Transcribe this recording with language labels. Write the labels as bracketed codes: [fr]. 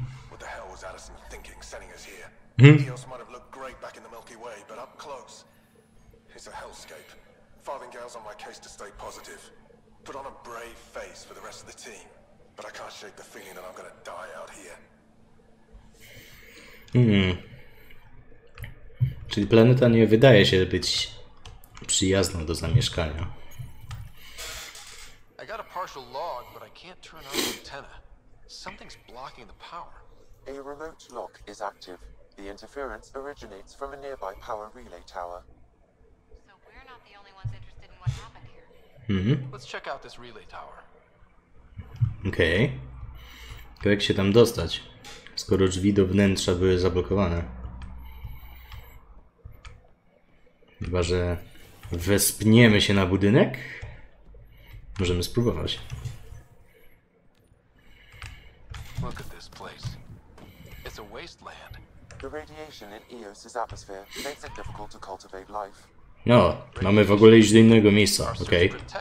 [en] What the hell was Addison thinking sending us here? EOS might have looked great back in the Milky Way, but up close, it's a hellscape. Farthingale's on my case to stay positive. Put on a brave face for the rest of the team, but I can't shake the feeling that I'm gonna die out here. [pl] Czyli planeta nie wydaje się być przyjazną do zamieszkania. [en] I got a partial log, but I can't turn on the antenna. Something's blocking the power. A remote lock is active. The interference originates from a nearby power relay tower. So we're not the only ones interested in what happened here. Let's check out this relay tower. [pl] Okej. [en] Okay. [pl] Jak się tam dostać, skoro drzwi do wnętrza były zablokowane? Chyba, że wespniemy się na budynek? Możemy spróbować. [en] Look at this place. It's a wasteland. The radiation in Eos's atmosphere makes it difficult to cultivate life. [pl] No, mamy w ogóle iść do innego miejsca, okej.